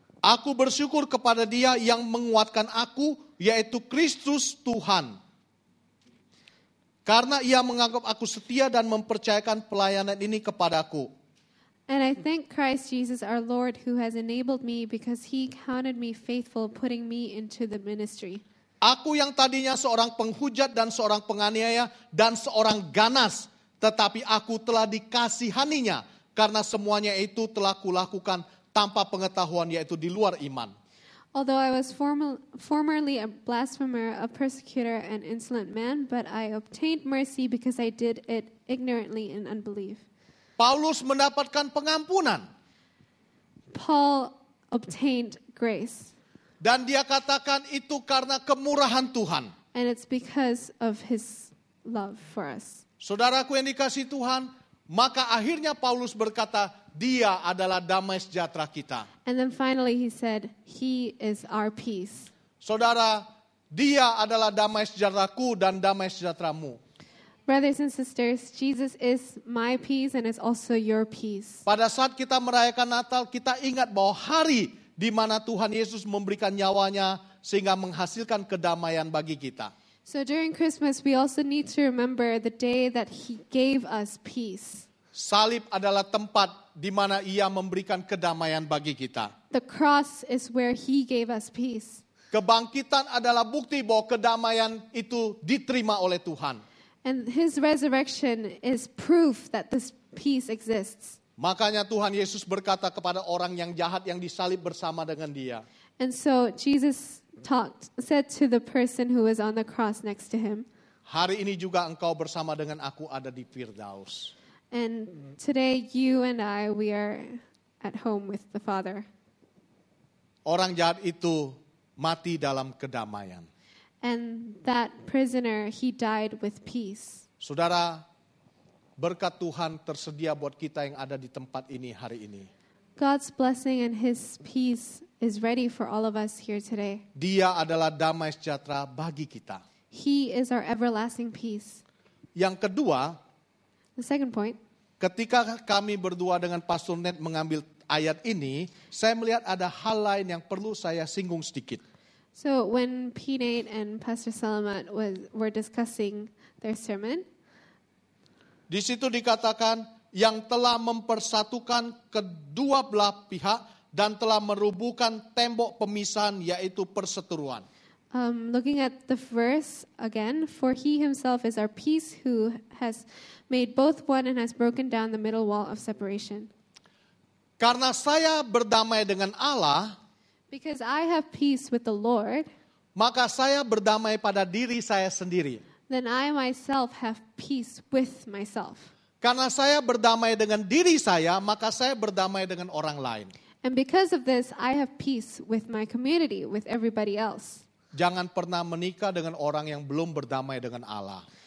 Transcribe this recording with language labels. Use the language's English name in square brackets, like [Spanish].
[Indonesian] Aku bersyukur kepada Dia yang menguatkan aku, yaitu Kristus Tuhan. Karena Ia menganggap aku setia dan mempercayakan pelayanan ini kepadaku. [English] And I thank Christ Jesus our Lord who has enabled me because He counted me faithful, putting me into the ministry. [Indonesian] Aku yang tadinya seorang penghujat dan seorang penganiaya dan seorang ganas, tetapi aku telah dikasihaninya karena semuanya itu telah kulakukan tanpa pengetahuan, yaitu di luar iman. [English] Although I was formerly a blasphemer, a persecutor, an insolent man, but I obtained mercy because I did it ignorantly in unbelief. [Indonesian] Paulus mendapatkan pengampunan. [English] Paul obtained grace. [Indonesian] Dan dia katakan itu karena kemurahan Tuhan. [English] And it's because of His love for us. [Indonesian] Saudaraku yang dikasihi Tuhan, maka akhirnya Paulus berkata, Dia adalah damai sejahtera kita. [English] And then finally he said, He is our peace. [Indonesian] Saudara, Dia adalah damai sejahteraku dan damai sejahteramu. [English] Brothers and sisters, Jesus is my peace and is also your peace. [Indonesian] Pada saat kita merayakan Natal, kita ingat bahwa hari di mana Tuhan Yesus memberikan nyawanya sehingga menghasilkan kedamaian bagi kita. [English] So during Christmas, we also need to remember the day that He gave us peace. [Indonesian] Salib adalah tempat di mana Ia memberikan kedamaian bagi kita. [English] The cross is where He gave us peace. [Indonesian] Kebangkitan adalah bukti bahwa kedamaian itu diterima oleh Tuhan. [English] And His resurrection is proof that this peace exists. [Indonesian] Makanya Tuhan Yesus berkata kepada orang yang jahat yang disalib bersama dengan Dia. [English] And so Jesus said to the person who was on the cross next to Him. [Indonesian] Hari ini juga engkau bersama dengan aku ada di Firdaus. [English] And today you and I, we are at home with the Father. [Indonesian] Orang jahat itu mati dalam kedamaian. [English] And that prisoner, he died with peace. [Indonesian] Saudara, berkat Tuhan tersedia buat kita yang ada di tempat ini hari ini. [English] God's blessing and His peace is ready for all of us here today. [Indonesian] Dia adalah damai sejahtera bagi kita. [English] He is our everlasting peace. [Indonesian] Yang kedua, [English] the second point, [Indonesian] ketika kami berdua dengan Pastor Ned mengambil ayat ini, saya melihat ada hal lain yang perlu saya singgung sedikit. [English] So when Pete and Pastor Salamat were discussing their sermon, [Indonesian] di situ dikatakan yang telah mempersatukan kedua belah pihak dan telah merubuhkan tembok pemisahan, yaitu perseteruan. [English] Looking at the verse again, for He Himself is our peace, who has made both one and has broken down the middle wall of separation. [Indonesian] Karena saya berdamai dengan Allah. [English] Because I have peace with the Lord, [Indonesian] maka saya berdamai pada diri saya sendiri. [English] Then I myself have peace with myself. [Indonesian] Karena saya berdamai dengan diri saya, maka saya berdamai dengan orang lain. [English] And because of this, I have peace with my community, with everybody else. [Indonesian] Jangan pernah menikah dengan orang yang belum berdamai dengan Allah.